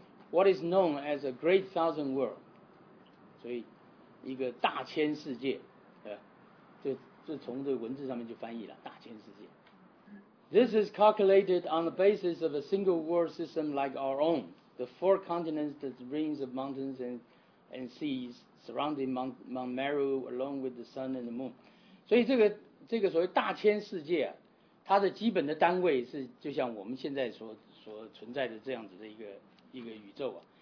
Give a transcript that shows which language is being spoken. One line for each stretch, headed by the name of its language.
English: What is known as a great thousand world?
Chinese: 所以一个大千世界，就从这个文字上面就翻译了大千世界。
English: This is calculated on the basis of a single world system like our own. The four continents, the rings of mountains and seas surrounding Mount Meru along with the sun and the moon.
Chinese: 所以这个所谓大千世界啊，它的基本的单位是就像我们现在所存在的这样子的一个宇宙啊。